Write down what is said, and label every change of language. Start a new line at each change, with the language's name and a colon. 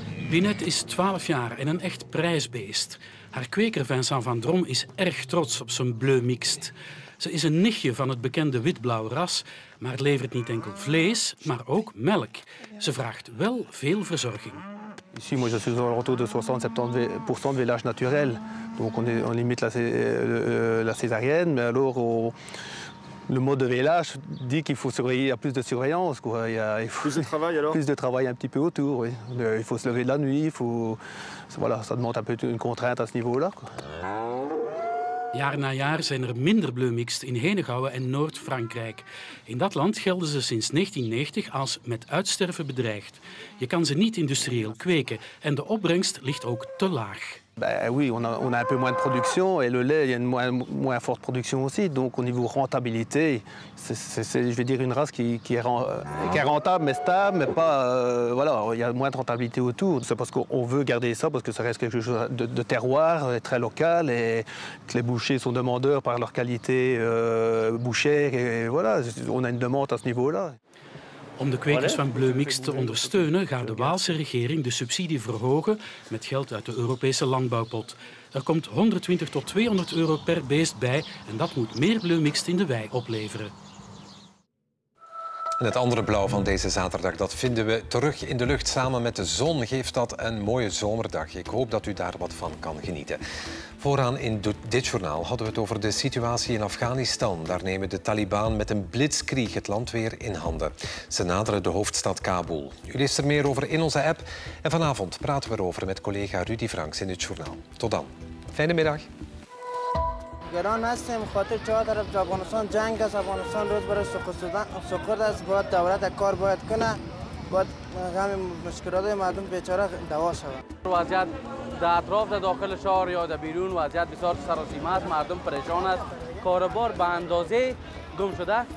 Dutch: Binet is 12 jaar en een echt prijsbeest. Haar kweker Vincent van Drom is erg trots op zijn bleu mixt. Ze is een nichtje van het bekende witblauw ras, maar levert niet enkel vlees, maar ook melk. Ze vraagt wel veel verzorging.
French: Ici moi je suis autour de 60-70% vélage naturel. Donc on limite la césarienne, mais alors au le mode de vélage dit qu'il faut surveiller, il y a plus de surveillance quoi, il y a plus de travail alors. Plus de travail un petit peu autour, oui. Il faut se lever la nuit, il faut voilà, ça demande un peu une contrainte à ce niveau-là quoi.
Dutch: Jaar na jaar zijn er minder bleu mixt in Henegouwen en Noord-Frankrijk. In dat land gelden ze sinds 1990 als met uitsterven bedreigd. Je kan ze niet industrieel kweken en de opbrengst ligt ook te laag.
French: Ben oui, on a un peu moins de production et le lait, il y a une moins forte production aussi. Donc au niveau rentabilité, c'est je vais dire une race qui est rentable mais stable, mais pas voilà, il y a moins de rentabilité autour. C'est parce qu'on veut garder ça parce que ça reste quelque chose de terroir, très local et que les bouchers sont demandeurs par leur qualité bouchère et voilà, on a une demande à ce niveau-là.
Dutch: Om de kwekers van bleu mixt te ondersteunen, gaat de Waalse regering de subsidie verhogen met geld uit de Europese landbouwpot. Er komt 120 tot 200 euro per beest bij en dat moet meer bleu mixt in de wei opleveren. En het andere blauw van deze zaterdag, dat vinden we terug in de lucht samen met de zon. Geeft dat een mooie zomerdag. Ik hoop dat u daar wat van kan genieten. Vooraan in dit journaal hadden we het over de situatie in Afghanistan. Daar nemen de Taliban met een blitzkrieg het land weer in handen. Ze naderen de hoofdstad Kabul. U leest er meer over in onze app. En vanavond praten we erover met collega Rudy Franks in het journaal. Tot dan. Fijne middag.
Persian: گران هستیم خاطر چه طرف افغانستان جنگ است افغانستان روز برای سقوط است باید دولت کار باید کنه باید غم مشکلات مردم بیچاره دوا شود وضعیت در اطراف در داخل شهر یا در بیرون وضعیت بسیار سراسیمه است مردم پریشان است کاروبار به اندازه گم شده